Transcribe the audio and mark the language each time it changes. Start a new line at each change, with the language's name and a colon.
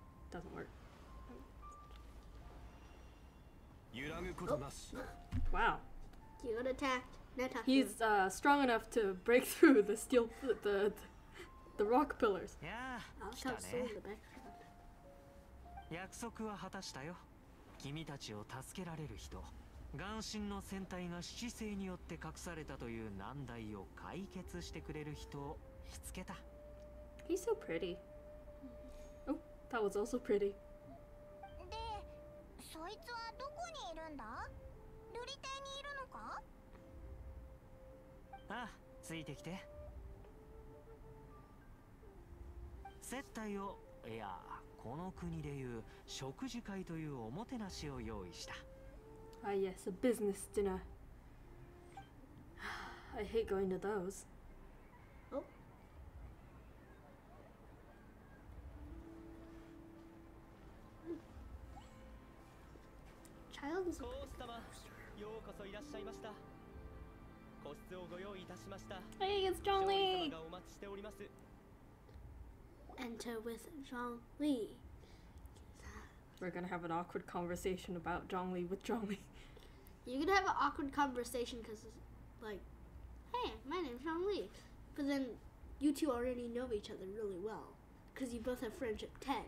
English: Doesn't work.
Japanese: 揺らぐことなし。
English: Wow. You got attacked. Not attacked. He's strong enough to break through the steel, the rock pillars. Yeah. I'll come soon.
Japanese: 約束は果たしたよ。君たちを助けられる人、岩神の船体が七星によって隠されたという難題を解決してくれる人を見つけた。
English: He's so pretty. Oh, that was also pretty.
Japanese: そいつはどこにいるんだ？ルリ邸にいるのか？ああ、ついてきて。接待を、いや、この国でいう食事会というおもてなしを用意した。
English: あ、ah, yes, a business dinner. I hate going to those.
Japanese: コース様、ようこそいらっしゃいました。個室をご用意いたしました。
English: はい、It's John Lee。
Japanese: 様がお待ちしております。
English: Enter with John Lee。 We're gonna have an awkward conversation about John Lee with John Lee. You're gonna have an awkward conversation because, like, hey, my name's John Lee. But then, you two already know each other really well, because you both have friendship 10.